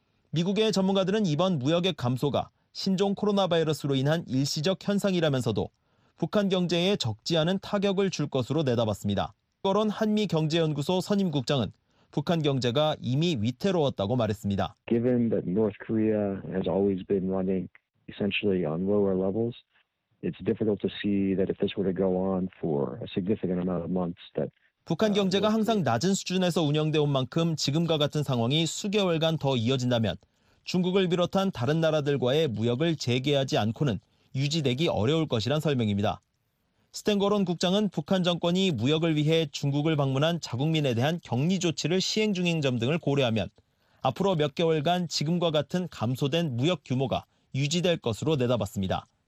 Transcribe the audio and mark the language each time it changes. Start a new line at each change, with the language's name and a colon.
Korean: 미국의 전문가들은 이번 무역액 감소가 신종 코로나 바이러스로 인한 일시적 현상이라면서도 북한 경제에 적지 않은 타격을 줄 것으로 내다봤습니다. 그런 한미경제연구소 선임국장은 북한 경제가 이미 위태로웠다고 말했습니다.
English: Given that North Korea has always been running essentially on lower levels, it's difficult to see that if this were to go on for a significant amount of months that
Korean: 북한 경제가 항상 낮은 수준에서 운영돼 온 만큼 지금과 같은 상황이 수개월간 더 이어진다면 중국을 비롯한 다른 나라들과의 무역을 재개하지 않고는 유지되기 어려울 것이란 설명입니다. 스탠거론 국장은 북한 정권이 무역을 위해 중국을 방문한 자국민에 대한 격리 조치를 시행 중인 점 등을 고려하면 앞으로 몇 개월간 지금과 같은 감소된 무역 규모가 유지될 것으로 내다봤습니다.